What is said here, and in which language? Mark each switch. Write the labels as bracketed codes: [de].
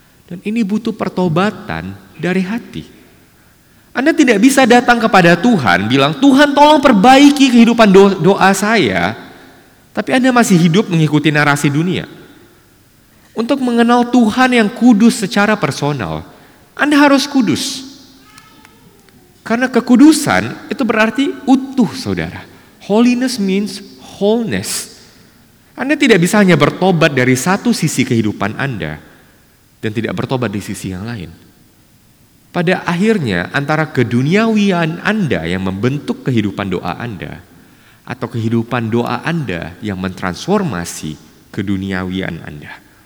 [id] Dan ini butuh pertobatan dari hati. Anda tidak bisa datang kepada Tuhan bilang, "Tuhan, tolong perbaiki kehidupan doa saya." Tapi Anda masih hidup mengikuti narasi dunia. Untuk mengenal Tuhan yang kudus secara personal, Anda harus kudus. Karena kekudusan itu berarti utuh, saudara. [en] Holiness means wholeness. [id] Anda tidak bisa hanya bertobat dari satu sisi kehidupan Anda dan tidak bertobat di sisi yang lain. Pada akhirnya, antara keduniawian Anda yang membentuk kehidupan doa Anda atau kehidupan doa Anda yang mentransformasi keduniawian Anda.